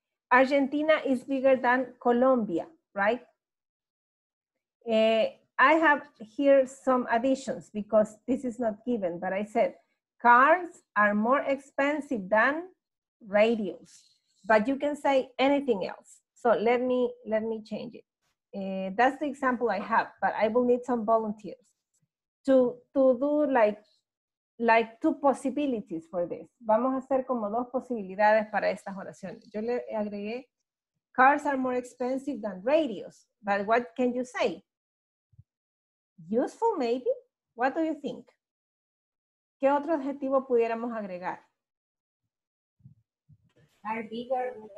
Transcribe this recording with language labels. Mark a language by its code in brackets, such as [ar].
[en] Argentina is bigger than Colombia, right? I have here some additions because this is not given, but I said cars are more expensive than radios, but you can say anything else. So let me change it. That's the example I have, but I will need some volunteers to do like two possibilities for this. [es] Vamos a hacer como dos posibilidades para estas oraciones. Yo le agregué [en] cars are more expensive than radios, but what can you say? Useful, maybe? What do you think? [es] ¿Qué otro adjetivo pudiéramos agregar? [en] Are bigger.